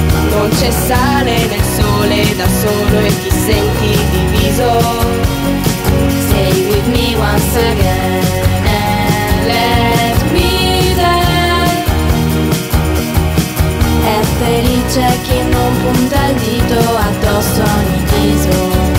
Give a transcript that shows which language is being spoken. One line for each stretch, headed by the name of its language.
Italian: Non c'è sale nel sole, da solo e ti senti diviso.
English: Stay with me once again and let me dance.
Italian: È felice chi non punta il dito addosso a ogni viso.